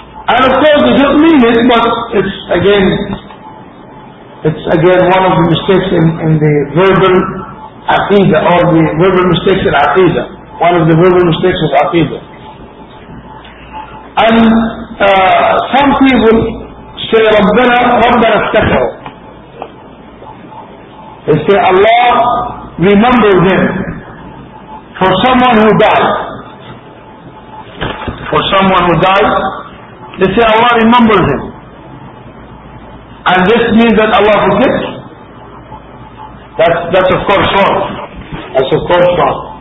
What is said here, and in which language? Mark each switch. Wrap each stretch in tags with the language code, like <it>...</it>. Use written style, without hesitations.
<en>And of course they don't mean it, but it's again one of the mistakes in the verbal aqidah, or the verbal mistakes in aqidah. One of the verbal mistakes of aqidah. And some people say</en> <ar>ربنا ربنا افتكره.</ar> <en>They say Allah remember them. For someone who died. For someone who died. They say Allah remembers him. And this means that Allah forgives? That's of course wrong. That's of course wrong.</en>